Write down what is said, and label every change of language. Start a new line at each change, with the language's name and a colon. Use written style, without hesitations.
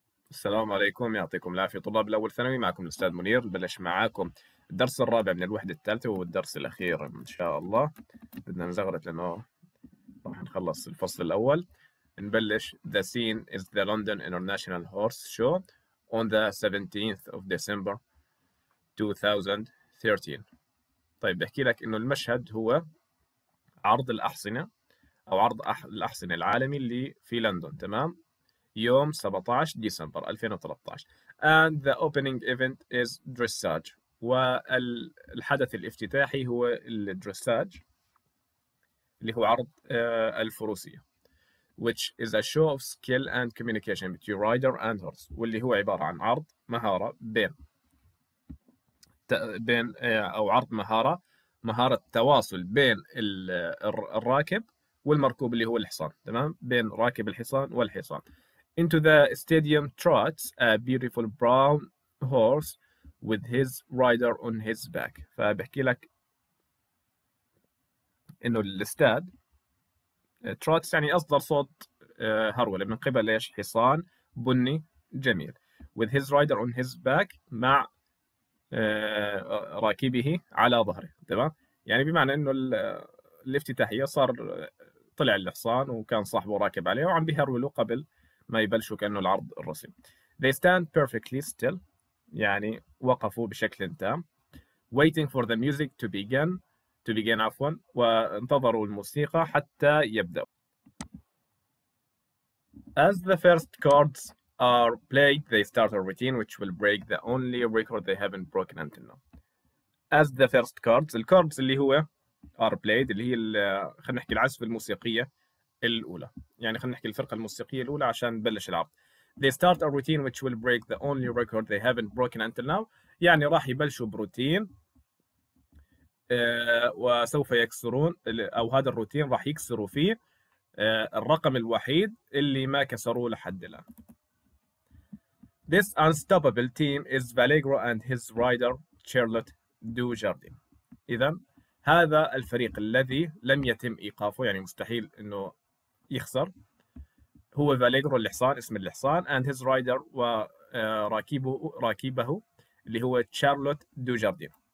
Arabic: السلام عليكم، يعطيكم العافية. طلاب الأول ثانوي، معكم الأستاذ منير. نبلش معاكم الدرس الرابع من الوحدة الثالثة والدرس الأخير إن شاء الله. بدنا نزغرت لأنه راح نخلص الفصل الأول. نبلش.
English: The scene is the London International Horse Show on the 17th of December 2013.
Arabic: طيب بحكي لك إنه المشهد هو عرض الأحصنة أو عرض الأحصنة العالمي اللي في لندن، تمام؟ يوم 17 ديسمبر 2013.
English: and the opening event is dressage،
Arabic: والحدث الافتتاحي هو الدريساج اللي هو عرض الفروسية،
English: which is a show of skill and communication between rider and horse،
Arabic: واللي هو عبارة عن عرض مهارة بين أو عرض مهارة تواصل بين الراكب والمركوب اللي هو الحصان، تمام؟ بين راكب الحصان والحصان.
English: Into the stadium trots a beautiful brown horse with his rider on his back.
Arabic: فبحكي لك إنه الاستاد trots يعني أصدر صوت هرولة من قبل إيش؟ حصان بني جميل.
English: With his rider on his back،
Arabic: مع راكبه على ظهره، تمام؟ يعني بمعنى إنه الافتتاحية صار طلع الحصان وكان صاحبه راكب عليه وعم بيهرولوا قبل ما يبلشوا كأنه العرض الرسمي.
English: They stand perfectly still،
Arabic: يعني وقفوا بشكل تام.
English: Waiting for the music to begin،
Arabic: عفوا، وانتظروا الموسيقى حتى يبدأ.
English: As the first chords are played they start a routine which will break the only record they haven't broken until now. As the first chords،
Arabic: الكوردز اللي هو
English: are played
Arabic: اللي هي خلينا نحكي العزف الموسيقية الأولى، يعني خلينا نحكي الفرقة الموسيقية الأولى عشان نبلش العرض.
English: They start a routine which will break the only record they haven't broken until now،
Arabic: يعني راح يبلشوا بروتين وسوف يكسرون، أو هذا الروتين راح يكسروا فيه الرقم الوحيد اللي ما كسروه لحد الآن.
English: This unstoppable team is Vallegro and his rider Charlotte Dujardin.
Arabic: إذن هذا الفريق الذي لم يتم إيقافه، يعني مستحيل إنه يخسر، هو فاليغرو الحصان، اسم الحصان،
English: and his rider،
Arabic: وراكبه اللي هو تشارلوت دو جاردين.